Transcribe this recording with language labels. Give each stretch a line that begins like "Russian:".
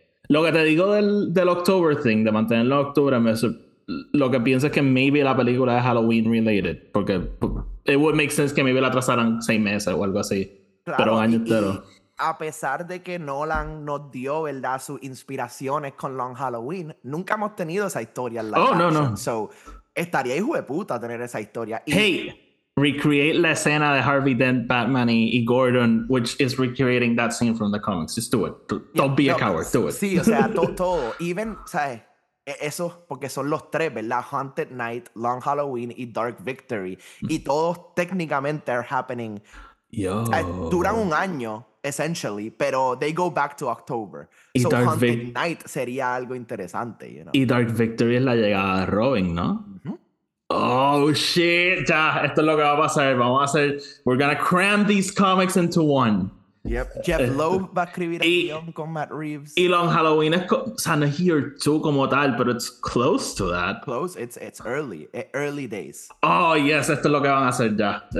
Spanish: Lo que te digo del
English: October thing,
Spanish: de mantenerlo en octubre, lo que pienso es que maybe la película es Halloween related, porque
English: it would make sense
Spanish: que maybe la atrasaran 6 meses o algo así, claro, pero un año entero. A pesar de que Nolan nos dio, ¿verdad?, sus inspiraciones con Long Halloween, nunca hemos tenido esa historia en la
English: action. No.
Spanish: So, estaría hijo de puta tener esa historia.
English: Hey, recreate
Spanish: la escena de
English: Harvey Dent, Batman y Gordon, which is recreating that scene from the comics. Just do it. Don't be a coward. Do it.
Spanish: Sí, o sea, todo.
English: Even,
Spanish: ¿sabes? Eso, porque son los tres, ¿verdad? Haunted Night, Long Halloween y Dark Victory. Y todos técnicamente
English: are happening.
Spanish: Yo. Duran un año.
English: Essentially, pero they go back to October.
Spanish: Y
English: so Dark
Spanish: Haunted Night sería algo interesante,
English: you know.
Spanish: Y Dark Victory es la llegada de Robin, ¿no? Mm-hmm.
English: Oh shit,
Spanish: ya, esto es lo que va a pasar. Vamos a hacer,
English: we're gonna cram these comics into one. Yep.
Spanish: Jeff Loeb va a escribir el guión con Matt Reeves. Y Long Halloween es Santa Here 2 como tal, pero
English: it's close to that. Close, it's early, early days. Oh yes,
Spanish: esto es lo que van a hacer ya.